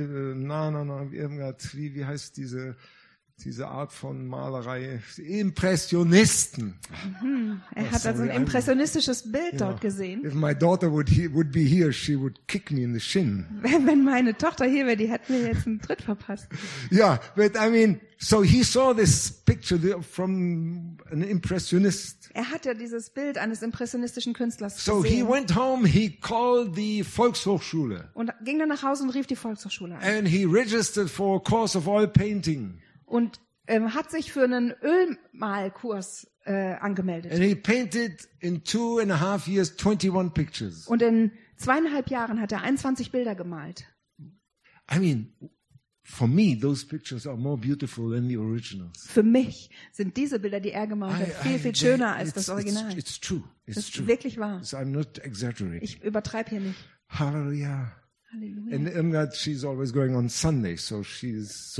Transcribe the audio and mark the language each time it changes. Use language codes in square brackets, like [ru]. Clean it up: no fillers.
[de] Wie heißt diese Art von Malerei? Impressionisten. Er hat also ein impressionistisches Bild dort gesehen. [en] If my daughter would be here, she would kick me in the shin. [de] Wenn meine Tochter hier wäre, die hätte mir jetzt einen Tritt verpasst. [en] But I mean, so he saw this picture from an impressionist. [de] Er hat ja dieses Bild eines impressionistischen Künstlers gesehen. [en] So he went home, he called the Volkshochschule. [de] Und ging dann nach Hause und rief die Volkshochschule an. [en] And he registered for a course of oil painting. [de] Und hat sich für einen Ölmalkurs angemeldet. [en] And he painted in 2.5 years 21 pictures. [de] Und in 2.5 Jahren hat er 21 Bilder gemalt. [en] I mean, for me, those pictures are more beautiful than the originals. [de] Für mich sind diese Bilder, die er gemalt hat, viel schöner als das Original. [en] It's true. [de] Das ist wirklich wahr. [en] I'm not exaggerating. [de] Ich übertreibe hier nicht. Hallelujah. Halleluja. [en] And Irmgard, she's always going on Sunday, so she's so.